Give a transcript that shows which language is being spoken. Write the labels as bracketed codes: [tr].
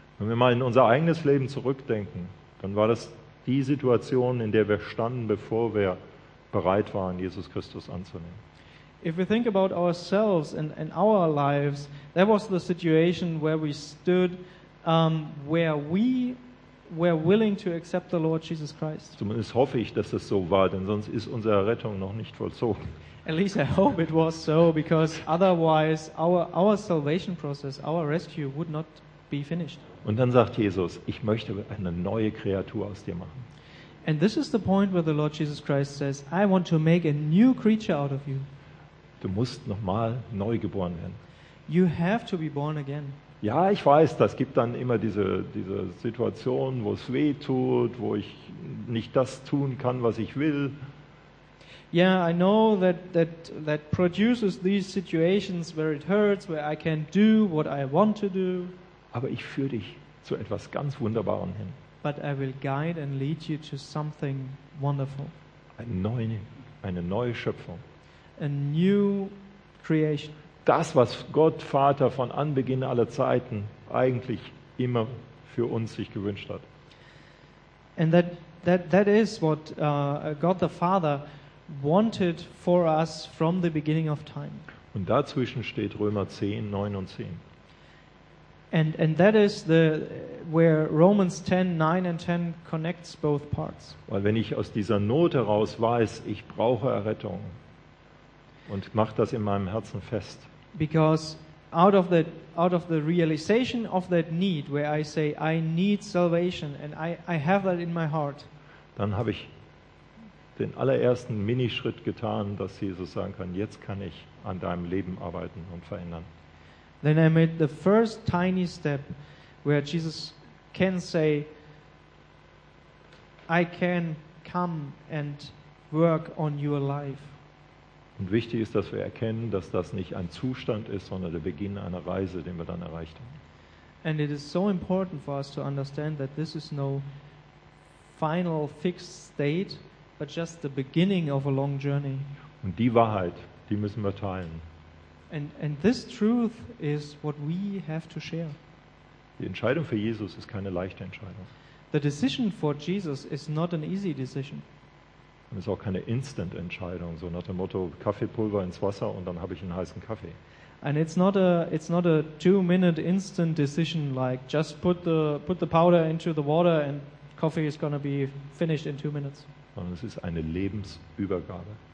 [de] Wenn wir mal in unser eigenes Leben zurückdenken, dann war das die Situation, in der wir standen, bevor wir bereit waren, Jesus Christus anzunehmen. [en] If we think about ourselves and our lives, that was the situation where we stood, where we were willing to accept the Lord Jesus Christ. [de] Zumindest hoffe ich, dass es so war, denn sonst ist unsere Errettung noch nicht vollzogen. [en] At least I hope it was so, because otherwise our salvation process, our rescue would not be finished. [de] Und dann sagt Jesus, ich möchte eine neue Kreatur aus dir machen. [en] And this is the point where the Lord Jesus Christ says, I want to make a new creature out of you. [de] Du musst nochmal neu geboren werden. [en] You have to be born again. [de] Ja, ich weiß, das gibt dann immer diese Situation, wo es weh tut, wo ich nicht das tun kann, was ich will. [en] Yeah, I know that produces these situations where it hurts, where I can't do what I want to do. [de] Aber ich führe dich zu etwas ganz Wunderbarem hin. [en] But I will guide and lead you to something wonderful. [de] Eine neue Schöpfung. [en] A new creation. [de] Das, was Gott Vater von Anbeginn aller Zeiten eigentlich immer für uns sich gewünscht hat. [en] And that is what God the Father wanted for us from the beginning of time. [de] Und dazwischen steht Römer 10, 9 und 10. [en] And that is the where Romans 10, 9 and 10 connects both parts. [de] Weil wenn ich aus dieser Not heraus weiß, ich brauche Errettung und mache das in meinem Herzen fest. [en] Because out of the realization of that need, where I say I need salvation and I have that in my heart. [de] Dann habe ich den allerersten Minischritt getan, dass Jesus sagen kann, jetzt kann ich an deinem Leben arbeiten und verändern. [en] Then I made the first tiny step where Jesus can say, I can come and work on your life. [de] Und wichtig ist, dass wir erkennen, dass das nicht ein Zustand ist, sondern der Beginn einer Reise, den wir dann erreicht haben. [en] And it is so important for us to understand that this is no final fixed state, but just the beginning of a long journey. [de] Und die Wahrheit, die müssen wir teilen. [en] And this truth is what we have to share. [de] Die Entscheidung für Jesus ist keine leichte Entscheidung. [en] The decision for Jesus is not an easy decision. [de] Und es ist auch keine instant Entscheidung, so nach dem Motto Kaffeepulver ins Wasser und dann habe ich einen heißen Kaffee. [en] And it's not a 2-minute instant decision, like just put the powder into the water and coffee is going to be finished in 2 minutes. [de] Sondern es ist eine Lebensübergabe.